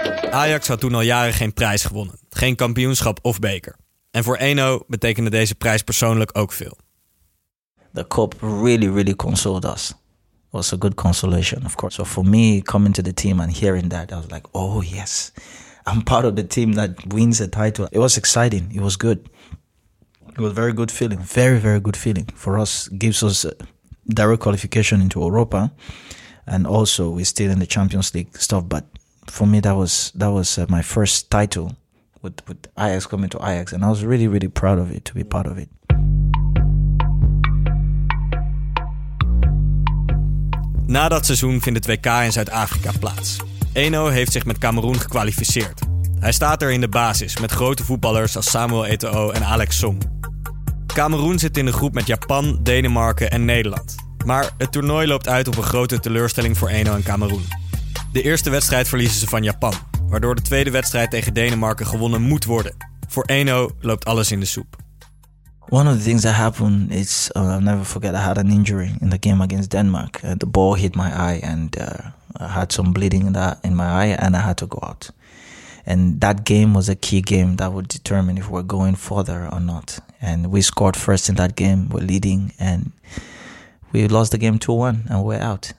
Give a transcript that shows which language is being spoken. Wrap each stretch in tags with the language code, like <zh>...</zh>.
<nl>Ajax had toen al jaren geen prijs gewonnen. Geen kampioenschap of beker. En voor 1-0 betekende deze prijs persoonlijk ook veel.</nl> <en>The cup really, really consoled us. It was a good consolation, of course. So for me, coming to the team and hearing that, I was like, oh yes, I'm part of the team that wins the title. It was exciting. It was good. It was a very good feeling. Very, very good feeling for us. Gives us direct qualification into Europa. And also, we're still in the Champions League stuff, but for me, that was my first title with Ajax, coming to Ajax. And I was really, really proud of it, to be part of it.</en> <nl>Na dat seizoen vindt het WK in Zuid-Afrika plaats. 1-0 heeft zich met Cameroen gekwalificeerd. Hij staat er in de basis met grote voetballers als Samuel Eto'o en Alex Song. Cameroen zit in de groep met Japan, Denemarken en Nederland. Maar het toernooi loopt uit op een grote teleurstelling voor 1-0 en Cameroen. De eerste wedstrijd verliezen ze van Japan, waardoor de tweede wedstrijd tegen Denemarken gewonnen moet worden. Voor 1-0 loopt alles in de soep.</nl> <en>One of the things that happened is, I'll never forget, I had an injury in the game against Denmark. The ball hit my eye and I had some bleeding in my eye and I had to go out. And that game was a key game that would determine if we're going further or not. And we scored first in that game, we're leading and we lost the game 2-1 and we're out.</en>